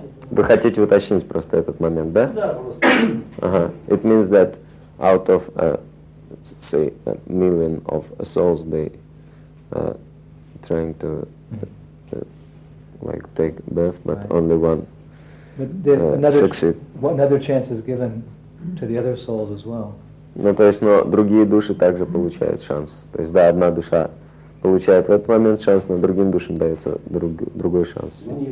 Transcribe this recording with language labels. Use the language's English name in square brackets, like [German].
[Russian] Вы хотите уточнить просто этот момент, да? Да, просто. Ага. [English] It means that out of, say, a million of souls, they trying to take birth, but right. Only one succeed. What another chance is given to the other souls as well? [Russian] Но другие души также получают шанс. То есть, да, одна душа получает в этот момент шанс, но другим душам дается другой шанс.